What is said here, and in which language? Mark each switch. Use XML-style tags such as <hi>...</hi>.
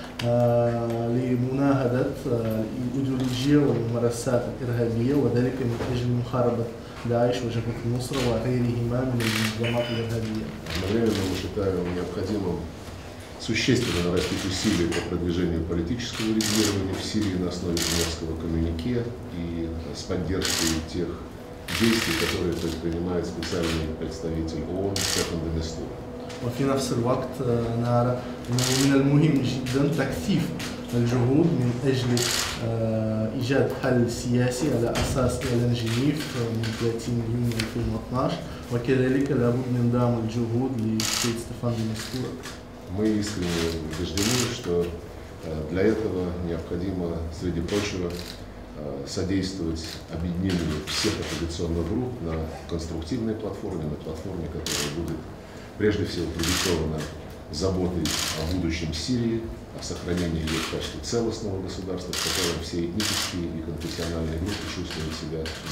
<ar>لمناهضة الأيديولوجية والممارسات الإرهابية وذلك من أجل محاربة داعش وجبهة النصرة وغيرهما من المنظمات الإرهابية.</ar> <ru>Одновременно мы считаем необходимым существенно нарастить усилия по продвижению политического регулирования в Сирии на основе Женевского коммюнике и с поддержкой тех действий, которые предпринимает специальный представитель ООН Стефан де Мистура.</ru> <ar>وفي نفس الوقت نرى أنه من المهم جدا تكثيف الجهود من أجل إيجاد حل سياسي على أساس إعلان جنيف من 30 يونيو 2012 وكذلك لابد من دعم الجهود للسيد ستيفان دي ميستورا.</ar> <ru>Мы искренне убеждены, что для этого необходимо, среди прочего, содействовать объединению всех оппозиционных групп на конструктивной платформе, на платформе, которая будет прежде всего продиктована заботой о будущем Сирии, о сохранении ее в качестве целостного государства, в котором все этнические и конфессиональные группы чувствуют себя</ru>